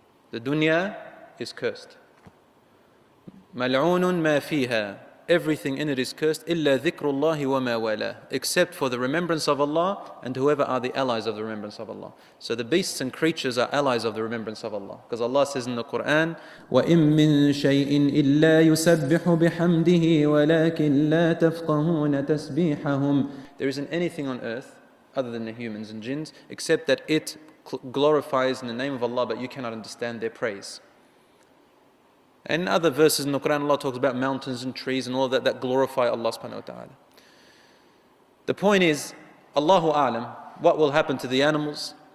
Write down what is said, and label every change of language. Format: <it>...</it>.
<en>The dunya is cursed.</en> <ar>Mal'unun ma fiha.</ar> <en>Everything in it is cursed,</en> <ar>illa dhikrullahi wa ma wala,</ar> <en>except for the remembrance of Allah and whoever are the allies of the remembrance of Allah. So the beasts and creatures are allies of the remembrance of Allah. Because Allah says in the Quran,</en> <ar>وَإِن مِّن شَيْءٍ إِلَّا يُسَبِّحُ بِحَمْدِهِ وَلَكِنْ لَا تَفْقَهُونَ تَسْبِيحَهُمْ.</ar> <en>There isn't anything on earth other than the humans and jinns, except that it glorifies in the name of Allah, but you cannot understand their praise. And other verses in the Quran, Allah talks about mountains and trees and all that, that glorify Allah subhanahu wa ta'ala. The point is, Allahu A'lam, what will happen to the animals?</en>